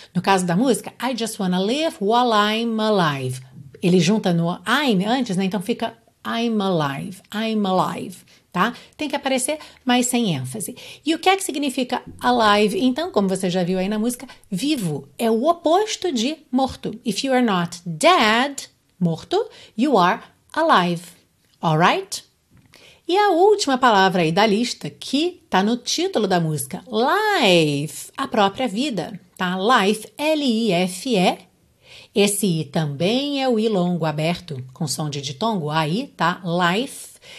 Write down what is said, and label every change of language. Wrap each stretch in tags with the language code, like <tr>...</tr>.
<pt>No caso da música,</pt> <en>I just wanna live while I'm alive.</en> <pt>Ele junta no I'm antes, né? Então fica</pt> <en>I'm alive,</en> <pt>tá? Tem que aparecer, mas sem ênfase. E o que é que significa alive? Então, como você já viu aí na música, vivo é o oposto de morto.</pt> <en>If you are not dead, morto, you are alive. Alright?</en> <pt>E a última palavra aí da lista, que tá no título da música, life, a própria vida. Tá? Life, L-I-F-E. Esse I também é o I longo aberto, com som de ditongo, aí, tá? Life.</pt>